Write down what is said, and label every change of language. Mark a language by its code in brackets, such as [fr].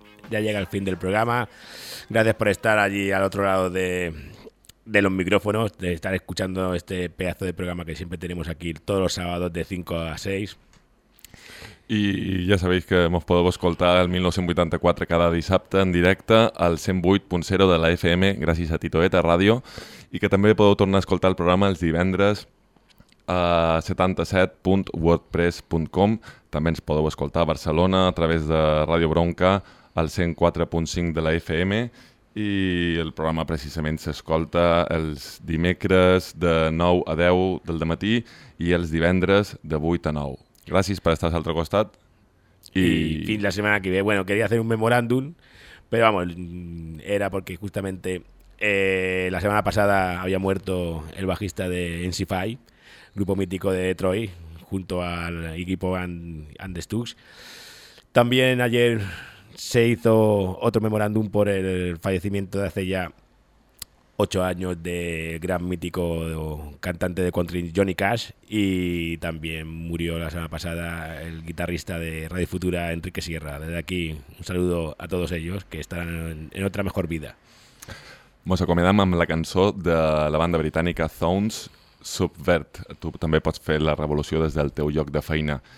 [es] Ya llega el fin del programa. Gracias por estar allí al otro lado de los micrófonos, de estar escuchando este pedazo de programa que siempre tenemos aquí todos los sábados de 5 a 6. [ca] I ja sabeu que ens podeu escoltar el 1984 cada dissabte en directe al 108.0 de la FM gràcies a Titoeta Ràdio, i que també podeu tornar a escoltar el programa els divendres a 77.wordpress.com. També ens podeu escoltar a Barcelona a través de Ràdio Bronca al 104.5 de la FM, i el programa precisament s'escolta els dimecres de 9 a 10 del matí i els divendres de 8 a 9. Gràcies per estar a l'altre costat. I fins la setmana que ve. [es] Bueno, quería hacer un memorándum, pero vamos, era porque justamente la semana pasada había muerto el bajista de NC5, grupo mítico de Detroit, junto al equipo and the Stooges. También ayer se hizo otro memorándum por el fallecimiento de hace ya 8 años de gran mítico cantante de country Johnny Cash, y también murió la semana pasada el guitarrista de Radio Futura, Enrique Sierra. Desde aquí, un saludo a todos ellos, que estarán en otra mejor vida. [ca] Mos acomiadam amb la cançó de la banda britànica Thones, Subvert. Tu també pots fer la revolució des del teu lloc de feina.